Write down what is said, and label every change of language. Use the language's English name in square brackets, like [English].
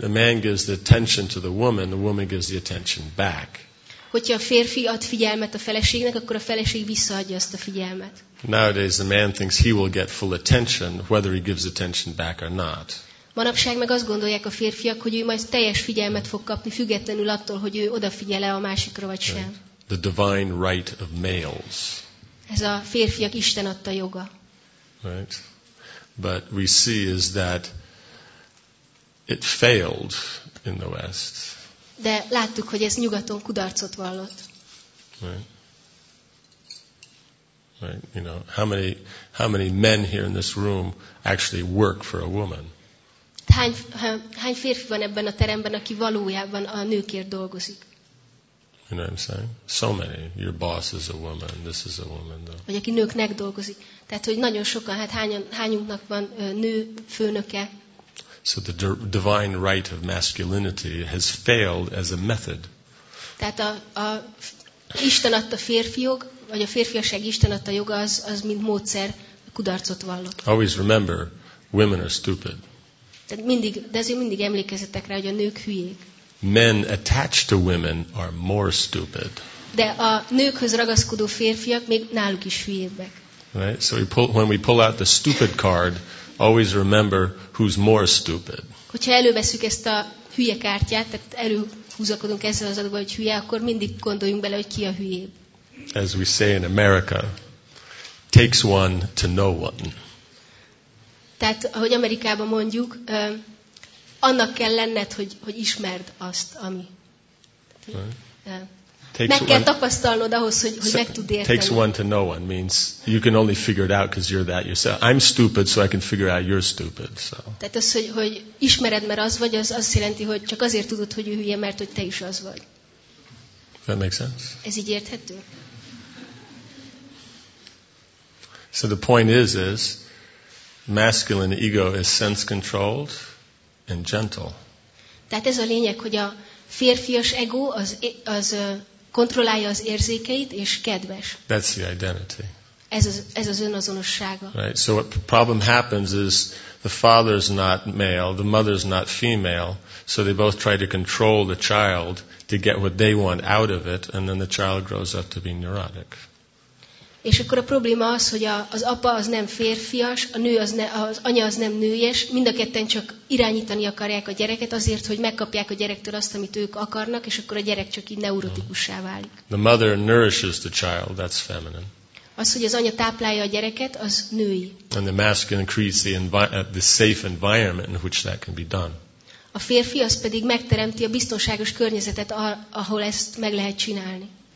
[English] The man gives the attention to the woman gives the attention back. [Hungarian] Hogyha a férfi ad figyelmet a feleségnek, akkor a feleség visszaadja azt a figyelmet. [English] Nowadays the man thinks he will get full attention, whether he gives attention back or not. [Hungarian] Manapság meg azt gondolják a férfiak, hogy ő majd teljes figyelmet fog kapni, függetlenül attól, hogy ő odafigyele a másikra vagy sem. [English] Right. The divine right of males. [Hungarian] Ez a férfiak Isten adta joga. [English] Right. But we see is that it failed in the West. [Hungarian] De láttuk, hogy ez nyugaton kudarcot vallott. [English] Right. Right. You know, how many men here in this room actually work for a woman? [Hungarian] Hány férfi van ebben a teremben, aki valójában a nőkért dolgozik? [English] You know what I'm saying? So many. Your boss is a woman. This is a woman, though. [Hungarian] Vagy aki nőknek dolgozik. Tehát, hogy nagyon sokan, hát hányunknak van nő főnöke? [English] So the divine right of masculinity has failed as a method. [Hungarian] Tehát a Isten adta férfi jog, vagy a férfiasság Isten adta joga, az mint módszer kudarcot vallott. [English] Always remember, women are stupid. [Hungarian] De azért mindig emlékezzetek rá, hogy a nők hülyék. [English] Men attached to women are more stupid. [Hungarian] De a nőkhöz ragaszkodó férfiak még náluk is hülyébbek. [English] Right? So when we pull out the stupid card, always remember who's more stupid. [Hungarian] Hogyha előveszük ezt a hülye kártyát, tehát előhúzakodunk ezzel az adatban, hogy hülye, akkor mindig gondoljunk bele, hogy ki a hülyébb. [English] As we say in America, takes one to know one. [Hungarian] Tehát, ahogy Amerikában mondjuk, annak kell lenned, hogy ismerd azt, ami. [English] Right. [Hungarian] Meg kell tapasztalnod ahhoz, hogy meg tud érteni. [English] Takes one to know one means you can only figure it out because you're that yourself. I'm stupid, so I can figure out you're stupid. So. [Hungarian] Tehát az, hogy ismered, mert az vagy, az azt jelenti, hogy csak azért tudod, hogy ő hülye, mert hogy te is az vagy. [English] That makes sense? [Hungarian] Ez így érthető? [English] So the point is masculine ego is sense controlled and gentle. [Hungarian] Tehát ez a lényeg, hogy a férfias ego az kontrollálja az érzékeit és kedves. [English] That's the identity. [Hungarian] Ez az önazonossága. [English] Right. So what problem happens is the father is not male, the mother is not female, so they both try to control the child to get what they want out of it, and then the child grows up to be neurotic. [Hungarian] És akkor a probléma az, hogy az apa az nem férfias, a nő az, az anya az nem nőjes, mind a ketten csak irányítani akarják a gyereket azért, hogy megkapják a gyerektől azt, amit ők akarnak, és akkor a gyerek csak így neurotikussá válik. [English] The mother nourishes the child, that's feminine. [Hungarian] Az, hogy az anya táplálja a gyereket, az női. [English] And the masculine creates the safe environment in which that can be done. [Hungarian] A férfi az pedig megteremti a biztonságos környezetet, ahol ezt meg lehet csinálni.